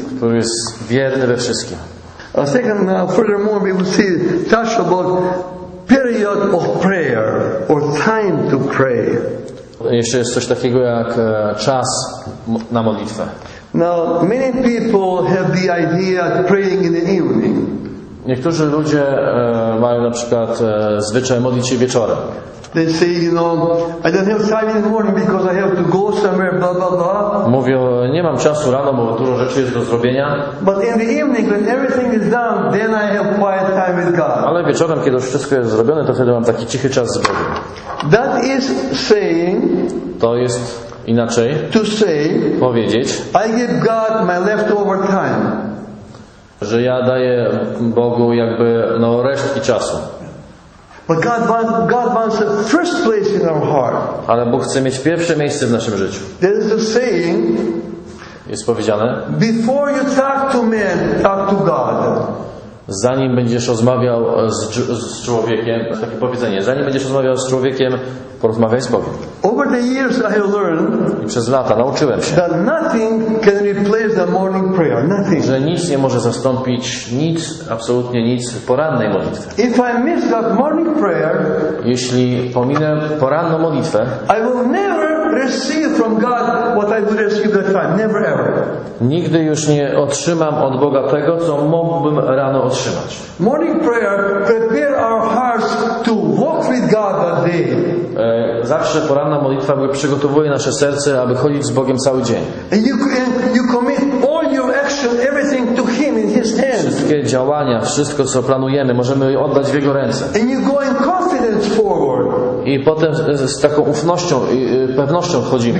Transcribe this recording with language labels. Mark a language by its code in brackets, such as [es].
[pl] Który jest wierny we wszystkim. [en] A second, furthermore, we will see touch about period of prayer or time to pray. [pl] Jeszcze jest coś takiego jak czas na modlitwę. [en] Now many people have the idea of praying in the evening. [pl] Niektórzy ludzie mają na przykład zwyczaj modlić się wieczorem. [en] They say, you know, I don't have time in the morning because I have to go somewhere, blah blah blah. [pl] Mówią, nie mam czasu rano, bo dużo rzeczy jest do zrobienia. [en] But in the evening, when everything is done, then I have quiet time with God. [pl] Ale wieczorem, kiedy już wszystko jest zrobione, to wtedy mam taki cichy czas z Bogiem. [en] That is saying. [pl] To jest inaczej. [en] To say. [pl] Powiedzieć. [en] I give God my leftover time. [pl] Że ja daję Bogu jakby no resztki czasu. [en] But God wants a first place in our heart. [pl] Ale Bóg chce mieć pierwsze miejsce w naszym życiu. [en] There is a saying. [pl] Jest powiedziane. [en] Before you talk to men, talk to God. [pl] Zanim będziesz rozmawiał z człowiekiem, takie powiedzenie. Zanim będziesz rozmawiał z człowiekiem, porozmawiaj z Bogiem. [en] Over the years I have learned. [pl] I przez lata nauczyłem się. [en] That nothing can replace the morning prayer. Nothing. [pl] Że nic nie może zastąpić nic, absolutnie nic porannej modlitwy. [en] If I miss that morning prayer, [pl] jeśli pominę poranną modlitwę, [en] I will never receive from God what I would receive that time. Never ever. [pl] Nigdy już nie otrzymam od Boga tego, co mógłbym rano otrzymać. [en] Morning prayer prepare our hearts to walk with God that day. [pl] Zawsze poranna modlitwa przygotowuje nasze serce, aby chodzić z Bogiem cały dzień. [en] And you commit all your action, everything to Him in His hands. [pl] Wszystkie działania, wszystko co planujemy, możemy oddać w Jego ręce. [en] And you go in confidence forward. [pl] I potem z taką ufnością i pewnością wchodzimy.